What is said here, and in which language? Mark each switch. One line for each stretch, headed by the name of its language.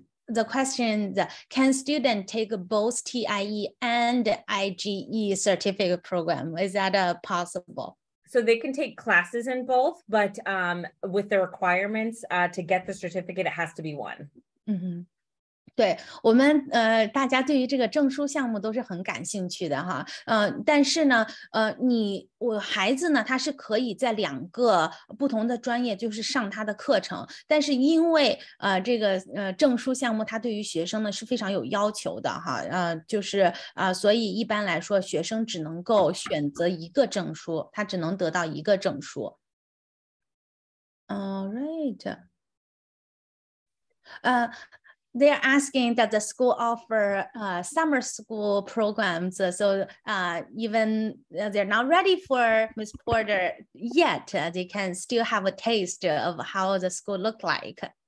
English: The question is, can students take both TIE and IGE certificate program? Is that possible? So they can take classes in both, but with the requirements to get the certificate, it has to be one. Mm-hmm.
Chinese: 对我们大家对于这个证书项目都是很感兴趣的哈，但是呢，你我孩子呢，他是可以在两个不同的专业就是上他的课程，但是因为这个证书项目，他对于学生呢是非常有要求的哈，就是所以一般来说，学生只能够选择一个证书，他只能得到一个证书。
English: All right, They're asking that the school offer summer school programs. So even they're not ready for Ms. Porter yet, they can still have a taste of how the school looked like.